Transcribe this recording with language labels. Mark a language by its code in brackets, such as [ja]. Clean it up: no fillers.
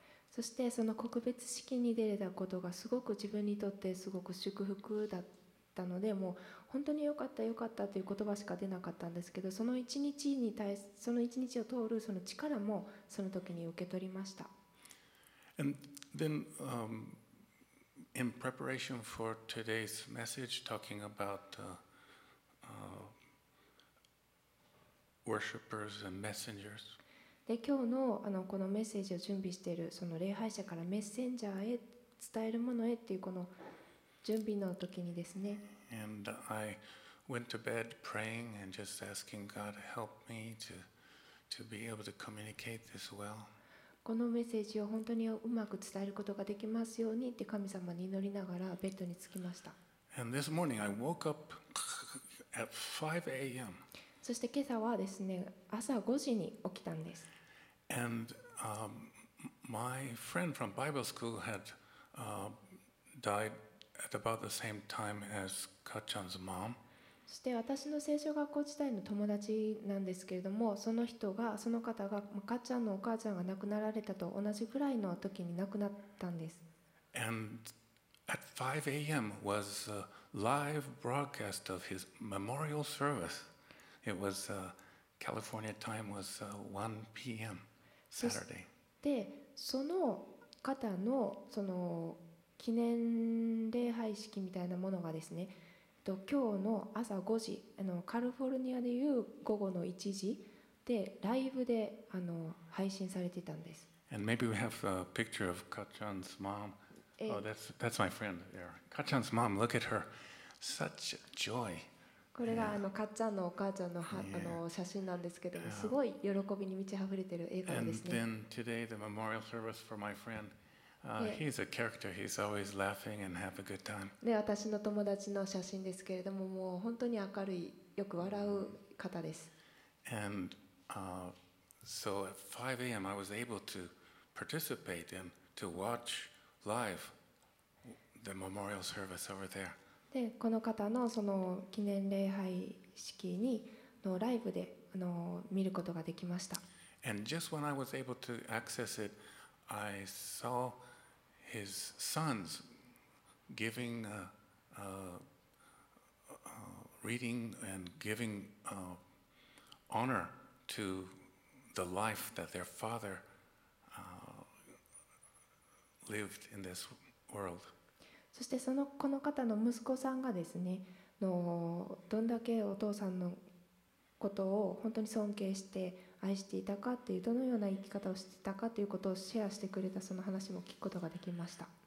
[ja] そしてその告別式に出れたことがすごく自分にとってすごく祝福だったので、もう本当に良かった良かったという言葉しか出なかったんですけど、その一日に対しその一日を通るその力もその時に受け取りました。 [en] And then, in preparation for today's message, talking about worshippers and messengers. [ja] で今日 の, このメッセージを準備しているその礼拝者からメッセンジャーへ伝えるものへというこの準備の時にですね。 [en] And I went to bed praying and just asking God to help me to be able to communicate this well. [ja] このメッセージを本当にうまく伝えることができますようにって神様に祈りながらベッドに着きました。 [en] And this morning I woke up at 5 a.m. [ja] そして今朝はですね、朝5時に起きたんです。 [en] And、my friend from Bible school had、died at about the same time as Kachan's mom. [ja] そして私の聖書学校時代の友達なんですけれども、その人がその方がかっちゃんのお母ちゃんが亡くなられたと同じくらいの時に亡くなったんです。 [en] And at 5 a.m. was a live broadcast of his memorial service. It was、California time was 1 p.m. Saturday. [ja] でその方のその記念礼拝式みたいなものがですね、今日の朝5時、カリフォルニアでいう午後の1時でライブで配信されてたんです。 [en] And maybe we have a picture of Kachan's mom. Oh, that's my friend there. Kachan's mom, look at her. Such joy. [ja] これがかっちゃんのお母ちゃんの写真なんですけども、すごい喜びに満ち溢れてる笑顔ですね。 [en] And then today the memorial service for my friend. He's a character. He's always laughing and have a good time. [ja] で、私の友達の写真ですけれども、もう本当に明るい、よく笑う方です。 [en] And so at 5 a.m. I was able to participate and to watch live the memorial service over there. [ja] で、この方のその記念礼拝式にのライブで見ることができました。 [en] And just when I was able to access it, I saw. His sons giving reading and giving honor to the life that their father lived in this world. [ja] そしてそのこの方の息子さんがですね、どんだけお父さんのことを本当に尊敬して愛していたかというどのような生き方をしていたかということをシェアしてくれた、その話も聞くことができました。